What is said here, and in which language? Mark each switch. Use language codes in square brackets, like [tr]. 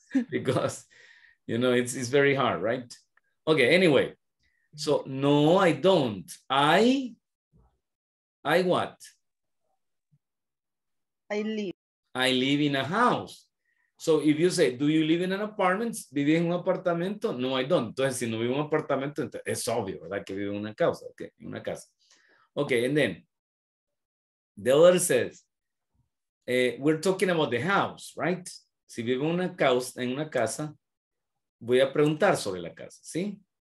[en] Because, you know, it's very hard, right? Okay, anyway. So, no, I don't. I what? I live in a house. So, if you say, do you live in an apartment? [es] ¿Viví en un apartamento? [en] No, I don't. [es] Entonces, si no vivo en un apartamento, entonces, es obvio, ¿verdad? Que vivo en una casa. Okay, en una casa. [en] Okay, and then, the other says, we're talking about the house, right? Si vivo en una casa, voy a preguntar sobre la casa, ¿sí?